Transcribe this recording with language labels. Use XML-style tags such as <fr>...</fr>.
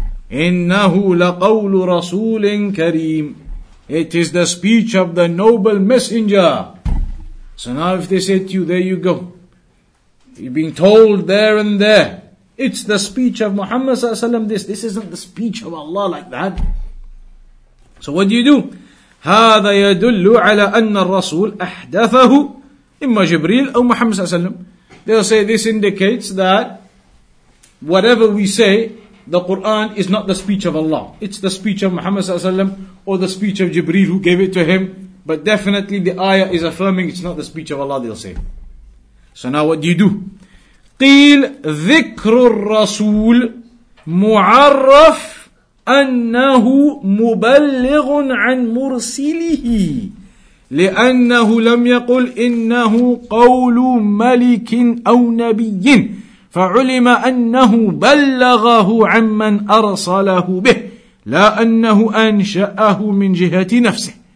<ar>إِنَّهُ لَقَوْلُ رَسُولٍ كَرِيمٍ,</ar> <en>it is the speech of the noble messenger. So now if they say to you, there you go, you're being told there and there, it's the speech of Muhammad sallallahu alaihi wasallam, this isn't the speech of Allah like that. So what do you do?</en> <ar>هذا يدل على أن الرسول أحدثه إما جبريل أو محمد صلى الله عليه وسلم.</ar> <en>They'll say this indicates that whatever we say, the Quran is not the speech of Allah. It's the speech of Muhammad sallallahu alaihi wasallam or the speech of Jibreel who gave it to him. But definitely the ayah is affirming it's not the speech of Allah, they'll say. So now what do you do?</en> <ar>قيل ذكر الرسول معرف أنه مبلغ عن مرسله لأنه لم يقل إنه قول ملك أو نبي فعلم أنه بلغه عمن أرسله به لا أنه أنشأه من جهة نفسه.</ar>